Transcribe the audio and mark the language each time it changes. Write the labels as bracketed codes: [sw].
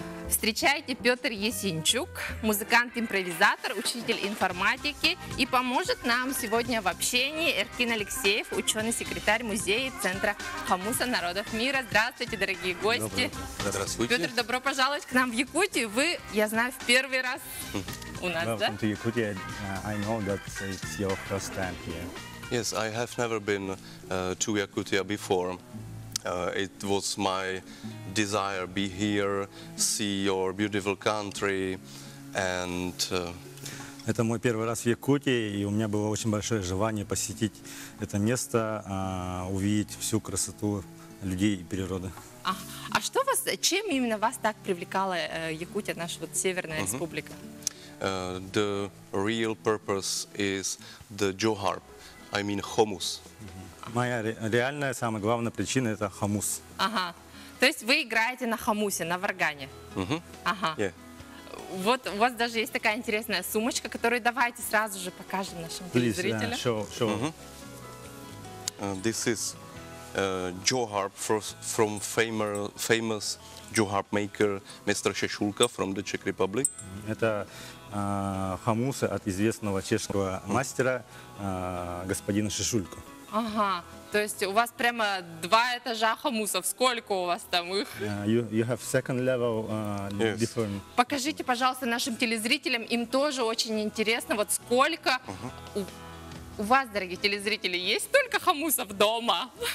[ru] Встречайте, Петр Есенчук, музыкант-импровизатор, учитель информатики, и поможет нам сегодня в общении Эркин Алексеев, ученый-секретарь музея Центра Хамуса народов мира. Здравствуйте, дорогие гости. Здравствуйте. Петр, добро пожаловать к нам в Якутию. Вы, я знаю, в первый раз у нас, да? [en] Welcome to Yakutia. I know that it's your first time here. Yes, I have never been to Yakutia before. It was my desire to be here, see your beautiful country, and. [ru] Это мой первый раз в Якутии, и у меня было очень большое желание посетить это место, увидеть всю красоту людей и природы. А что вас, чем именно вас так привлекала Якутия, наша вот северная республика? [en] The real purpose is the Johar, I mean Хомус. [ru] Моя реальная самая главная причина – это хамус. Ага. То есть вы играете на хамусе, на варгане? Ага. [en] Yeah. [ru] Вот у вас даже есть такая интересная сумочка, которую давайте сразу же покажем нашим телезрителям. [en] Please, show. This is Joharp from famous Joharp maker Mr. Šešulka from the Czech Republic. [ru] Это хамусы от известного чешского мастера господина Шешулько. Ага, то есть у вас прямо два этажа хамусов. Сколько у вас там их? [en] You have second level different. [ru] Покажите, пожалуйста, нашим телезрителям, им тоже очень интересно, вот сколько у вас, дорогие телезрители, есть столько хамусов дома?